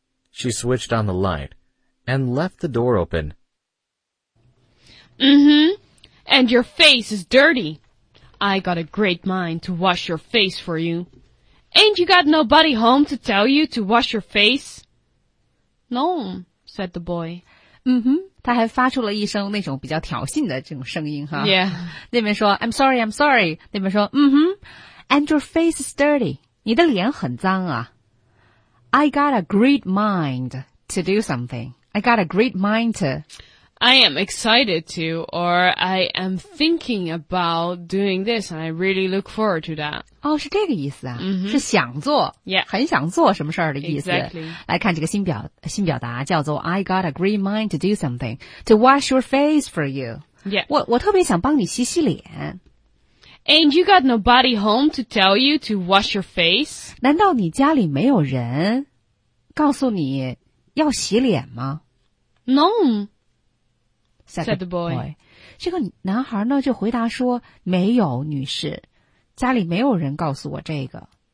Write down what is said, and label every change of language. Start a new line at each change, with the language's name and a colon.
English: She switched on the light and left the door open. Mm-hmm. And your face is dirty. I got a great mind to wash your face for you. Ain't you got nobody home to tell you to wash your face? No, said the boy. Mm-hmm.
Chinese: 他还发出了一声那种比较挑衅的这种声音哈。
English: Yeah.
Chinese: 那边说
English: I'm sorry, I'm sorry.
Chinese: 那边说嗯哼
English: And your face is dirty.
Chinese: 你的脸很脏啊。
English: I got a great mind to do something. I got a great mind to... I am excited to, or I am thinking about doing this, and I really look forward to that.
Chinese: 哦，是这个意思啊？ Mm-hmm. 是想做，
English: yeah.
Chinese: 很想做什么事儿的意思。
English: Exactly.
Chinese: 来看这个新表达，叫做
English: I got a great mind to do something, to wash your face for you. Yeah.
Chinese: 我特别想帮你洗洗脸。
English: And you got nobody home to tell you to wash your face?
Chinese: 难道你家里没有人告诉你要洗脸吗？
English: No. Said the boy.
Chinese: 这个男孩呢就回答说没有女士家里没有人告诉我这个